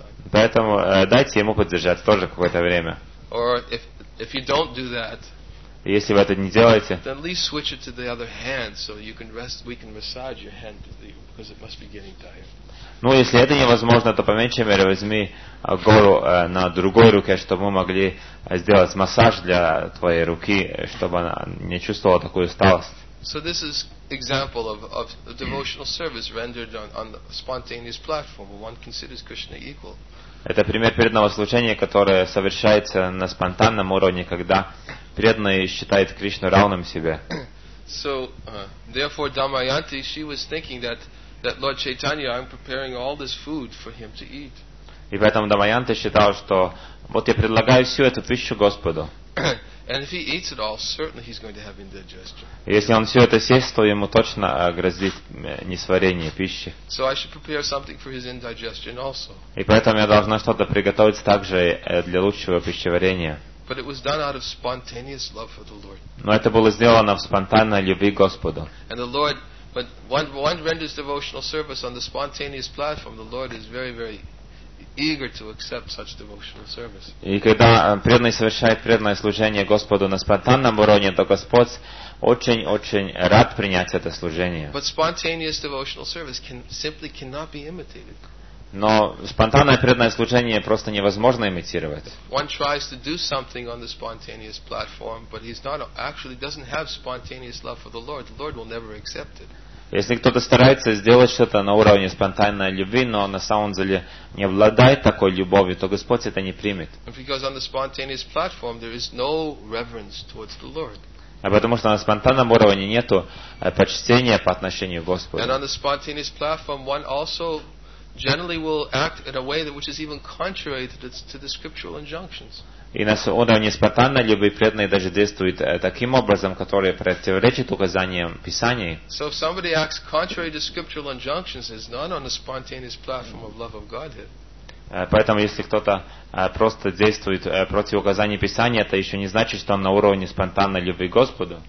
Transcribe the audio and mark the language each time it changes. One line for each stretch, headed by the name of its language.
Russian: Поэтому дайте ему поддержать тоже какое-то время.
English: If you don't do that,
Russian: если вы это не делаете,
English: then at least switch it to the other hand so you can rest, we can massage your hand because it must be getting tired.
Russian: Ну, если это невозможно, то по меньшей мере возьми гору на другой руке, чтобы мы могли сделать массаж для твоей руки, чтобы она не чувствовала такую усталость.
English: So this is example of a devotional service rendered on the spontaneous platform where one considers Krishna equal.
Russian: Это пример преданного служения, которое совершается на спонтанном уровне, когда преданный считает Кришну равным себе.
English: So, therefore, Damayanti, she was thinking that Lord Chaitanya, I'm preparing all this food for him to eat.
Russian: И поэтому Дамаянти считал, что вот я предлагаю всю эту пищу Господу.
English: And if he eats it all, certainly he's going to have indigestion.
Russian: Если он все это съест, то ему точно грозит несварение пищи.
English: So I should prepare something for his indigestion also.
Russian: И поэтому я должна что-то приготовить также для лучшего пищеварения.
English: But it was done out of spontaneous love for the Lord.
Russian: Но это было сделано в спонтанной любви к Господу.
English: And the Lord, when one renders devotional service on the spontaneous platform, the Lord is very, very eager to accept such devotional service.
Russian: И когда преданный совершает преданное служение Господу на спонтанном уровне, то Господь очень-очень рад принять это служение.
English: But spontaneous devotional service simply cannot be imitated.
Russian: Но спонтанное преданное служение просто невозможно имитировать.
English: One tries to do something on the spontaneous platform, but he's not actually doesn't have spontaneous love for the Lord. The Lord will never accept it.
Russian: Если кто-то старается сделать что-то на уровне спонтанной любви, но на самом деле не обладает такой любовью, то Господь это не примет.
English: And because on the spontaneous platform there is no reverence towards the Lord.
Russian: А потому что на спонтанном уровне нету почтения по отношению к Господу.
English: And on the spontaneous platform one also generally will act in a way that which is even contrary to the scriptural injunctions.
Russian: И на уровне спонтанной любви преданные даже действуют таким образом, который противоречит указаниям Писания.
English: So if somebody acts contrary to scriptural injunctions, it's not on the spontaneous platform of love of Godhead.
Russian: Поэтому если кто-то просто действует против указаний Писания, это еще не значит, что он на уровне спонтанной любви к Господу.